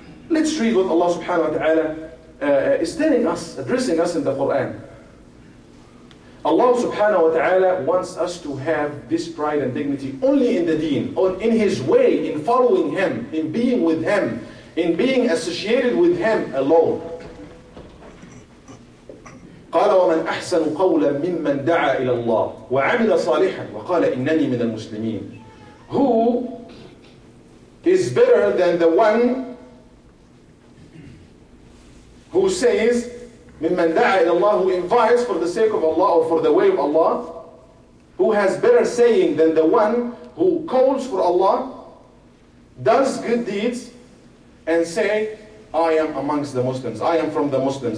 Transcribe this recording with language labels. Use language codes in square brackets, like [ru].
[en] Let's read what Allah subhanahu wa ta'ala is telling us, addressing us in the Quran. Allah subhanahu wa ta'ala wants us to have this pride and dignity only in the deen, or in His way, in following Him, in being with Him, in being associated with Him alone. [ar] قال ومن أحسن قولا ممن دعا إلى الله وعمل صالحا وقال إنني من المسلمين. [en] Who is better than the one who says [ar] ممن دعا إلى الله, [en] who invites for the sake of Allah or for the way of Allah, who has better saying than the one who calls for Allah, does good deeds and say I am amongst the Muslims. I am from the Muslims.